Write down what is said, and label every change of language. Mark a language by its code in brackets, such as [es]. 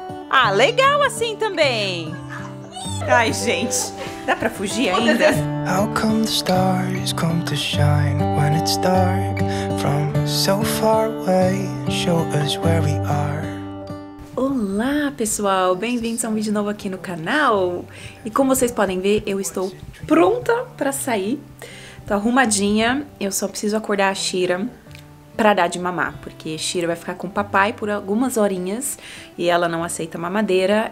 [pt] Ah, legal assim também. Ai, gente, dá pra fugir ainda? [en] How come the stars come to shine when it's dark? From so far away, show us where we are. [pt] Olá, pessoal! Bem-vindos a um vídeo novo aqui no canal. E como vocês podem ver, eu estou pronta pra sair. Tô arrumadinha. Eu só preciso acordar a Shira pra dar de mamar, porque Shira vai ficar com o papai por algumas horinhas e ela não aceita mamadeira.